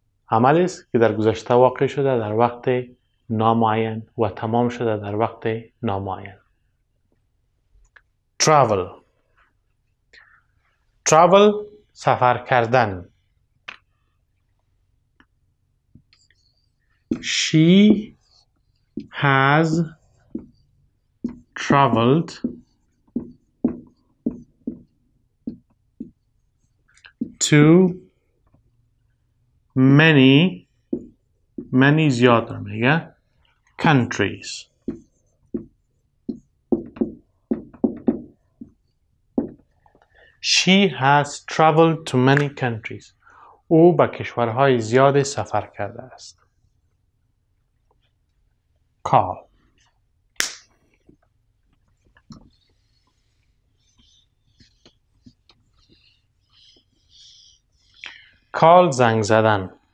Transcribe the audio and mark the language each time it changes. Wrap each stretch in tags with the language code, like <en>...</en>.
<fa>عملی است که در گذشته واقع شده در وقت نامعین و تمام شده در وقت نامعین. Travel سفر کردن.</fa> <en>She has traveled to many</en> <fa>زیادر میگه</fa> <en>countries. She has traveled to many countries.</en> <fa>او به کشورهای زیاد سفر کرده است.</fa> <en>Call.</en> <fa>Call زنگ زدن.</fa>